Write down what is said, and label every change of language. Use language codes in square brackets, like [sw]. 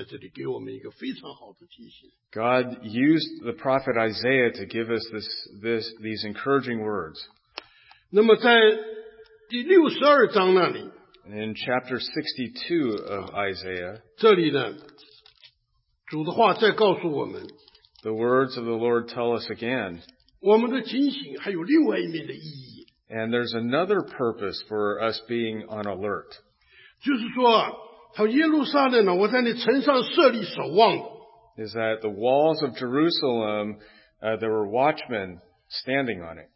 [zh] 先知以赛亚在这里给我们一个非常好的提醒。 [en] God used the prophet Isaiah to give us these encouraging words. [zh] 那么在第62章那里, [en] in chapter 62 of Isaiah, [zh] 这里呢, 主的话再告诉我们, [en] the words of the Lord tell us again, [zh] 我们的警醒还有另外一面的意义。 [en] And there's another purpose for us being on alert. [zh] 就是说啊, 耶路撒冷呢，我在那城上设立守望。 [en] Is that the walls of Jerusalem, there were watchmen standing on it.